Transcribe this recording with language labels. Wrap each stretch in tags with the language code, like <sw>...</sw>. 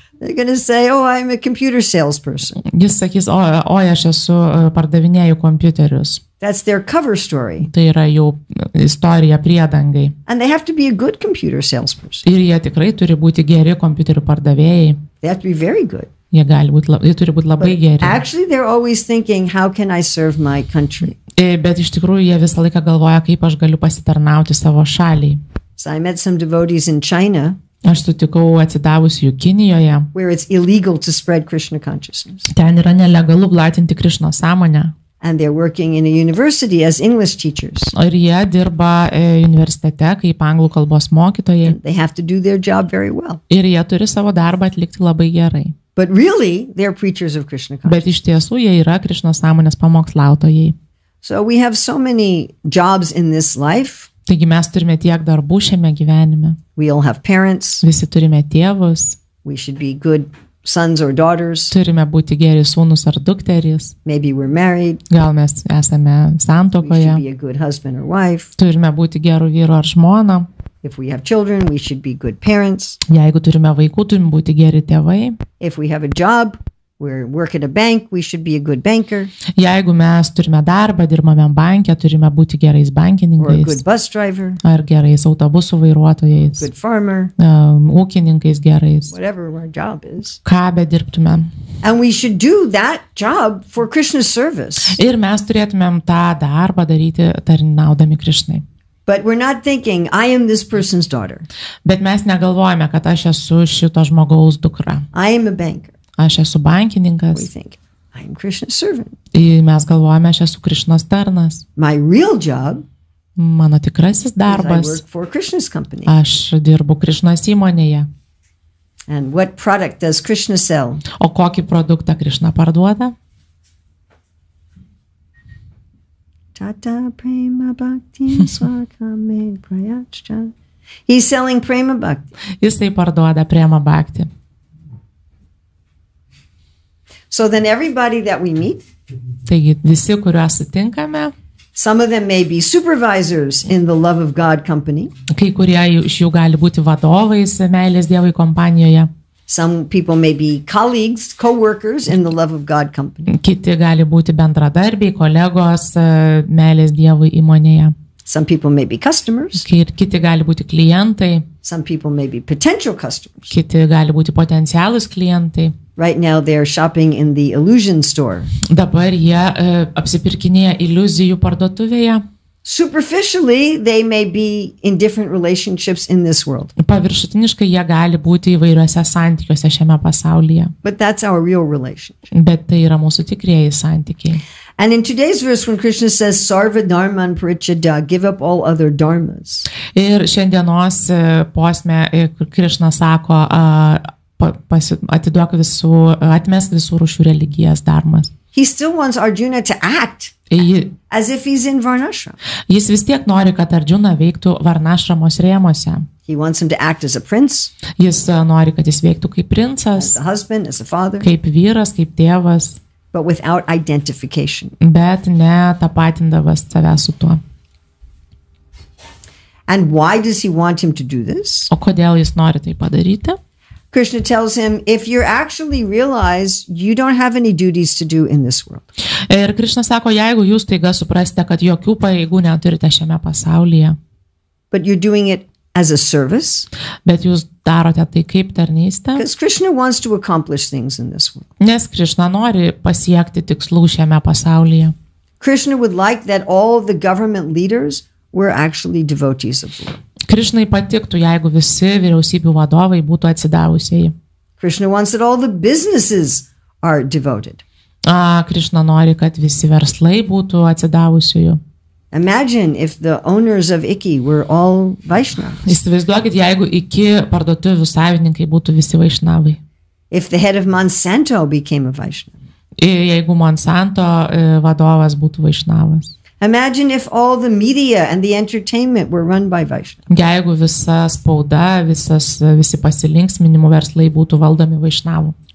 <en>They're going to say, "Oh, I'm a computer salesperson."</en> <lt>Jis sakys, "Oi, aš esu pardavinėju kompiuterius."</lt> <en>That's their cover story.</en> <lt>Tai yra jų istorija priedangai.</lt> <en>And they have to be a good computer salesperson.</en> <lt>Ir jie tikrai turi būti geri kompiuterių pardavėjai.</lt> <en>They have to be very good.</en> <lt>Jie gali būti jie turi būti labai</lt> <en>But</en> <lt>geri.</lt> <en>Actually they're always thinking how can I serve my country.</en> <lt>Bet iš tikrųjų jie visą laiką galvoja kaip aš galiu pasitarnauti savo šaliai.</lt> <en>So I met some devotees in China.</en> <lt>Aš sutikau atsidavusių Kinijoje.</lt> <en>Where it's illegal to spread Krishna consciousness.</en> <lt>Ten yra nelegalu platinti Krishna sąmonę.</lt> <en>And they're working in a university as English teachers.</en> <lt>Ir jie dirba universitete kaip anglų kalbos mokytojai.</lt> <en>They have to do their job very well.</en> <lt>Ir jie turi savo darbą atlikti labai gerai.</lt> <en>But really, they're preachers of Krishna consciousness.</en> <lt>Bet iš tiesų jie yra Krishna sąmonės pamokslautojai.</lt> <en>So we have so many jobs in this life.</en> <lt>Taigi mes turime tiek darbų šiame gyvenime.</lt> <en>We all have parents.</en> <lt>Visi turime tėvus.</lt> <en>We should be good sons or daughters.</en> <lt>Turime būti geri sūnus ar dukterys.</lt> <en>Maybe we're married.</en> <lt>Gal mes esame santokoje.</lt> <en>We should be a good husband or wife.</en> <lt>Turime būti geru vyru ar žmona.</lt> <en>If we have children, we should be good parents.</en> <lt>Jeigu turime vaikų, turime būti geri tėvai.</lt> <en>If we have a job, we work at a bank, we should be a good banker.</en> <lt>Jeigu mes turime darbą, dirbame banke, turime būti gerais bankininkais.</lt> <en>Or a good bus driver.</en> <lt>Ar gerais autobusų vairuotojais.</lt> <en>Good farmer.</en> <lt>Ūkininkais gerais.</lt> <en>Whatever our job is.</en> <lt>Ką bedirbtume.</lt> <en>And we should do that job for Krishna's service.</en> <lt>Ir mes turėtumėm tą darbą daryti tarnaudami Krishnai.</lt> <en>But we're not thinking, I am this person's daughter.</en> <lt>Bet mes negalvojame, kad aš esu šito žmogaus dukra.</lt> <en>I am a banker.</en> <lt>Aš esu bankininkas.</lt> <en>We think, I am Krishna's servant.</en> <lt>Mes galvojame, aš esu Krishnas tarnas.</lt> <en>My real job,</en> <lt>mano tikrasis darbas,</lt> <en>I work for Krishna's company.</en> <lt>Aš dirbu Krishnas įmonėje.</lt> <en>And what product does Krishna sell?</en> <lt>O kokį produktą Krishna parduoda?</lt> <sa>Tata prema bhakti swakame prayachcha.</sa> <en>He's selling prema bhakti.</en> <lt>Jisai parduoda prema bhakti.</lt> <en>So then everybody that we meet,</en> <lt>taigi visi, kuriuos sutinkame,</lt> <en>some of them may be supervisors in the love of God company.</en> <lt>Kai kurie iš jų gali būti vadovais meilės Dievui kompanijoje.</lt> <en>Some people may be colleagues, co-workers in the love of God company.</en> <lt>Kiti gali būti bendradarbiai, kolegos meilės Dievui įmonėje.</lt> <en>Some people may be customers.</en> <lt>Kiti gali būti klientai.</lt> <en>Some people may be potential customers.</en> <lt>Kiti gali būti potencialūs klientai.</lt> <en>Right now they are shopping in the illusion store.</en> <lt>Dabar jie apsipirkinėja iliuzijų parduotuvėje.</lt> <en>Superficially they may be in different relationships in this world.</en> <lt>Paviršutiniškai jie gali būti įvairiuose santykiuose šiame pasaulyje.</lt> <en>But that's our real relationship.</en> <lt>Bet tai yra mūsų tikrieji santykiai.</lt> <en>And in today's verse when Krishna says</en> <sa>sarva dharman parichada,</sa> <en>give up all other dharmas.</en> <lt>Ir šiandienos posme Krishna sako atiduok visų, atmes visų rūšių religijas darmas.</lt> <en>He still wants Arjuna to act as if he's in Varnashram.</en> <lt>Jis vis tiek nori, kad Arjuna veiktų Varnashramos rėmose.</lt> <en>He wants him to act as a prince.</en> <lt>Jis nori, kad jis veiktų kaip princas.</lt> <en>As a husband, as a father.</en> <lt>Kaip vyras, kaip tėvas.</lt> <en>But without identification.</en> <lt>Bet ne tapatindavas save su tuo.</lt> <en>And why does he want him to do this?</en> <lt>O kodėl jis nori tai padaryti?</lt> <en>Krishna tells him, if you actually realize you don't have any duties to do in this world.</en> <lt>Ir Krishna sako, jeigu jūs taiga suprasite, kad jokių pareigų neturite šiame pasaulyje.</lt> <en>But you're doing it as a service.</en> <lt>Bet jūs darote tai kaip tarnystę.</lt> <en>Because Krishna wants to accomplish things in this world.</en> <lt>Nes Krishna nori pasiekti tikslų šiame pasaulyje.</lt> <en>Krishna would like that all the government leaders were actually devotees of the Lord.</en> <lt>Krishnai patiktų, jeigu visi vyriausybių vadovai būtų atsidavusieji.</lt> <en>Krishna wants that all the businesses are devoted.</en> <lt>Krishna nori, kad visi verslai būtų atsidavusieji.</lt> <en>Imagine if the owners of Iki were all Vaishnavas.</en> <lt>Įsivaizduokit, jeigu Iki parduotuvių savininkai būtų visi Vaishnavai.</lt> <en>If the head of Monsanto became a Vaishnava.</en> <lt>Ir jeigu Monsanto vadovas būtų Vaishnavas.</lt> <en>Imagine if all the media and the entertainment were run by Vaishnavas.</en> <lt>Jeigu visa spauda, visi pasilinksminimų verslai būtų valdomi Vaishnavų.</lt>